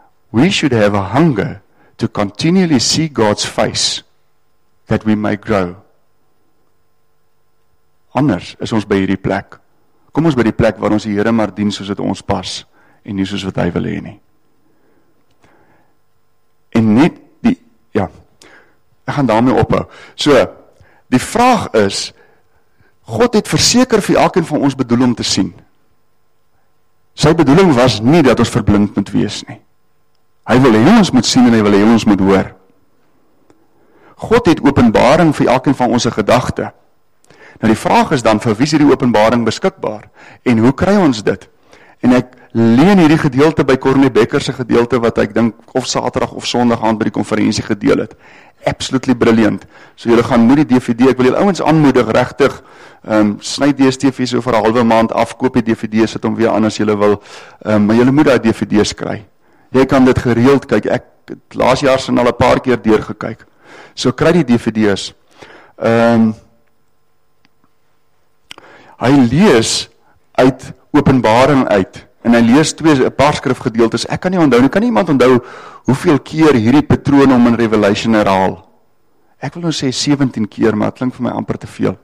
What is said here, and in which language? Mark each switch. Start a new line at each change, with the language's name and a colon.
English: We should have a hunger to continually see God's face that we may grow.
Afrikaans: Anders is ons by hierdie plek. Kom ons by die plek waar ons die Here maar dien soos dit ons pas en nie soos wat hy wil hê nie. En net die, ja, ek gaan daarmee ophou. So, die vraag is, God het verseker vir elkeen van ons bedoel om te sien. Sy bedoeling was nie dat ons verblind moet wees nie. Hy wil hê ons moet sien en hy wil hê ons moet hoor. God het openbaring vir elkeen van ons gedagte. Nou die vraag is dan, vir wie is hierdie openbaring beskikbaar? En hoe kry ons dit? En ek leen hierdie gedeelte by Corne Becker se gedeelte wat ek dink of Saterdag of Sondag aan by die konferensie gedeel het.
English: Absolutely brilliant.
Afrikaans: So julle gaan moet die DVD, ek wil julle ouens aanmoedig regtig, sny die DVD so vir 'n halwe maand af, koop die DVD, sit hom weer aan as julle wil. Maar julle moet daai DVD's kry. Jy kan dit gereeld kyk. Ek het laas jaar se al 'n paar keer deur gekyk. So kry die DVD's. Hy lees uit Openbaring uit. En hy lees 'n paar skrifgedeeltes. Ek kan nie onthou nie. Kan nie iemand onthou hoeveel keer hierdie patroon om in Revelation herhaal? Ek wil nou sê 17 keer, maar dit klink vir my amper te veel.